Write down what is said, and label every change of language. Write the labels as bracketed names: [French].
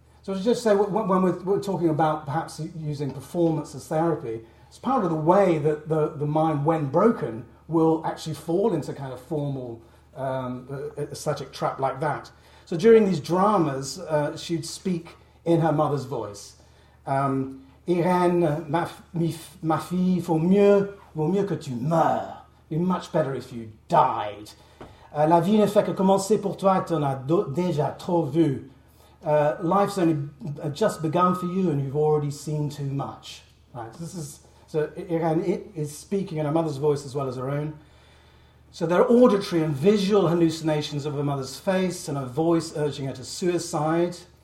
[English] So to just say, when we're talking about perhaps using performance as therapy, it's part of the way that the mind, when broken, will actually fall into kind of formal aesthetic trap like that. So during these dramas, she'd speak in her mother's voice. [French] Irène, ma fille, vaut mieux que tu meurs. [English] It'd be much better if you died. [French] La vie ne fait que commencer pour toi, tu en as déjà trop vu. [English] Life's only just begun for you and you've already seen too much. Right. So Irène is speaking in her mother's voice as well as her own. So there are auditory and visual hallucinations of her mother's face and a voice urging her to suicide.